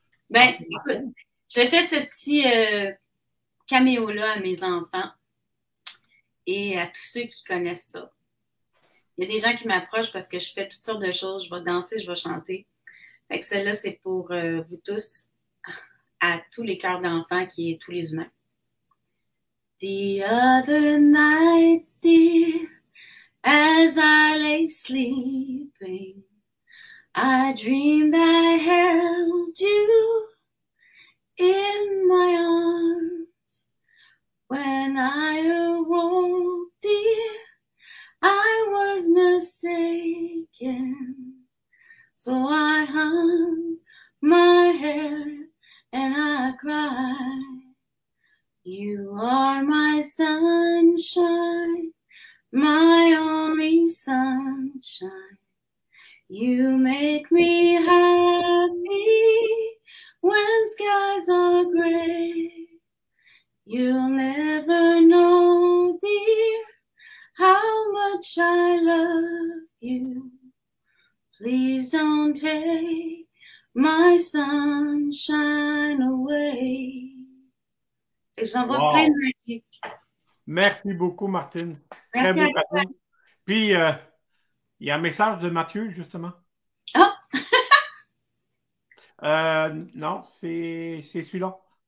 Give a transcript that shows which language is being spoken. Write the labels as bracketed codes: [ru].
[fr] Ben, écoute, j'ai fait ce petit caméo-là à mes enfants et à tous ceux qui connaissent ça. Il y a des gens qui m'approchent parce que je fais toutes sortes de choses. Je vais danser, je vais chanter. Fait que celle-là, c'est pour vous tous, à tous les cœurs d'enfants qui est tous les humains. [en] The other night, dear, as I lay sleeping, I dreamed I held you in my arms. When I awoke, dear, I was mistaken, so I hung my head and I cried. You are my sunshine, my only sunshine. You make me happy when skies are gray. You'll never know, dear, how much I love you. Please don't take my sunshine away. [fr] Et j'en vois plein de magie. Merci beaucoup, Martine. Merci. Très beau cadeau. Puis, il y a un message de Mathieu, justement. Ah! Oh. Non, c'est celui-là.